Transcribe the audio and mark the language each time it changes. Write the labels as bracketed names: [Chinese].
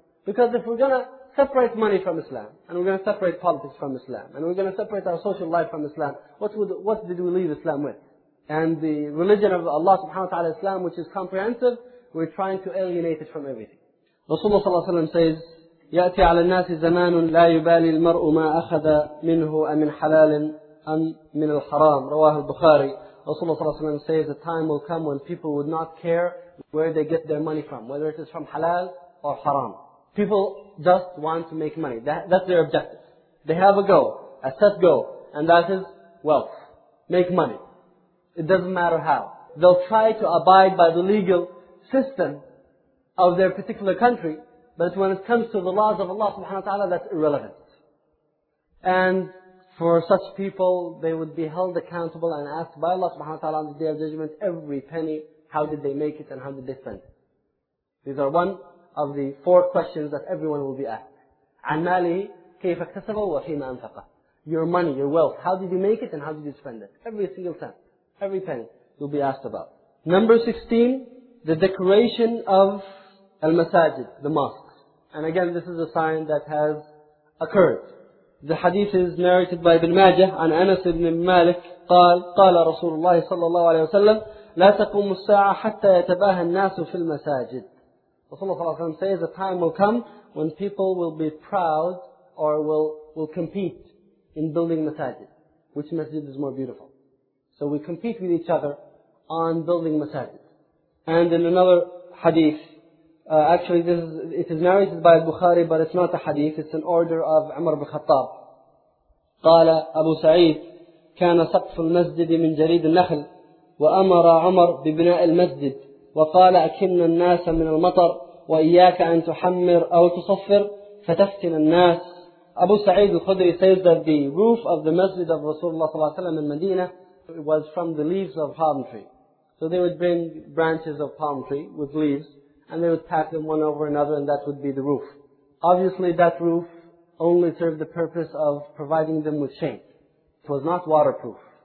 [English] Because if we're going to separate money from Islam, and we're going to separate politics from Islam, and we're going to separate our social life from Islam, what did we leave Islam with? And the religion of Allah subhanahu wa ta'ala, Islam, which is comprehensive, we're trying to alienate it from everything. Rasulullah sallallahu alayhi wa sallam says, [Arabic] يأتي على الناس زمان لا يبالي المرء ما أخذ منه أمن حلال أم من الحرام. رواه البخاري. رسول الله صلى الله عليه وسلم [English] says, a time will come when people would not care where they get their money from, whether it is from halal or haram. People just want to make money. That's their objective. They have a goal, a set goal, and that is wealth. Make money. It doesn't matter how. They'll try to abide by the legal system of their particular country, but when it comes to the laws of Allah subhanahu wa ta'ala, that's irrelevant. And for such people, they would be held accountable and asked by Allah subhanahu wa ta'ala on the Day of Judgment, every penny, how did they make it and how did they spend it? These are one of the four questions that everyone will be asked. [Arabic] عَنْ مَالِهِ كَيْفَ اكْتَسَبَ وَفِيمَ أَنْفَقَ. [English] Your money, your wealth, how did you make it and how did you spend it? Every single cent, every penny you'll be asked about. Number 16, the decoration of al-masajid, the mosques. And again, this is a sign that has occurred. The hadith is narrated by Ibn Majah [Arabic] عن أنس بن مالك قال رسول الله صلى الله عليه وسلم لا تقوم الساعة حتى يتباهى الناس في المساجد. رسول الله صلى الله عليه وسلم [English] says, a time will come when people will be proud or will compete in building masajid. Which masjid is more beautiful? So we compete with each other on building masajid. And in another hadith, it is narrated by Bukhari, but it's not a hadith, it's an order of Umar ibn Khattab. [Arabic] قال أبو سعيد كان سقف المسجد من جريد النخل وأمر عمر ببناء المسجد وقال أكن الناس من المطر وإياك أن تحمر أو تصفر فتفتن الناس. [English] أبو سعيد الخدري says that the roof of the masjid of Rasulullah [Arabic] صلى الله عليه وسلم [English] in Medina was from the leaves of palm tree. So they would bring branches of palm tree with leaves and they would pack them one over another and that would be the roof. Obviously that roof only served the purpose of providing them with shade. It was not waterproof.